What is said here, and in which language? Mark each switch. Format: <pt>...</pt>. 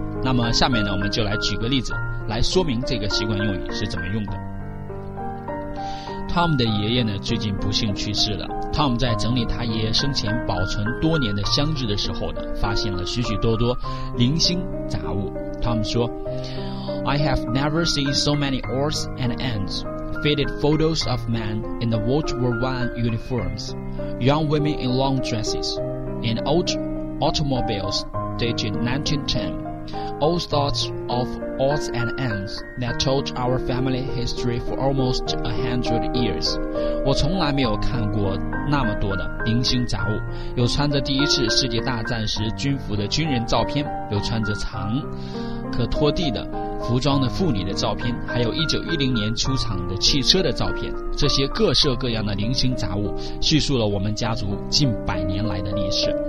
<zh>那么下面呢我们就来举个例子来说明这个习惯用语是怎么用的。 Tom 的爷爷呢最近不幸去世了， Tom 在整理他爷爷生前保存多年的箱子的时候呢，发现了许许多多零星杂物。</zh> <en>Tom 说， I have never seen so many odds and ends, faded photos of men in the World War I uniforms, young women in long dresses, and old automobiles dated 1910. All sorts of odds and ends that told our family history for almost 100 years.</en> <zh>我从来没有看过那么多的零星杂物，有穿着第一次世界大战时军服的军人照片，有穿着长可拖地的服装的妇女的照片，还有1910年出厂的汽车的照片。这些各色各样的零星杂物叙述了我们家族近百年来的历史。</zh>